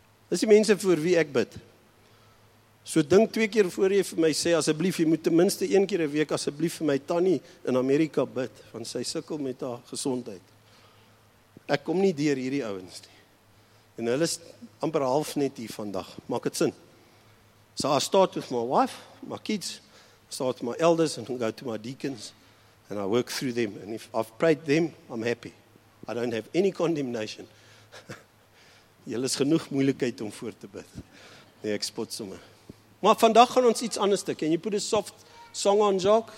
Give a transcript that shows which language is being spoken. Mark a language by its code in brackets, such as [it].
[af] Dis die mense vir wie ek bid. So dink 2 keer voor jy vir my sê, asseblief, jy moet ten minste 1 keer 'n week asseblief vir my tannie in Amerika bid, want sy sukkel met haar gesondheid. Ek kom nie deur hierdie ouens nie. En hulle is amper half net hier vandag. Maak dit sin? [en] So I start with my wife, my kids, start with my elders and go to my deacons. And I work through them. And if I've prayed them, I'm happy. I don't have any condemnation. [af] Julle is genoeg moeilikheid om voor te bid. Nee, ek spot sommer. Maar vandag gaan ons iets anders doen. [en] Can you put a soft song on, Jacques?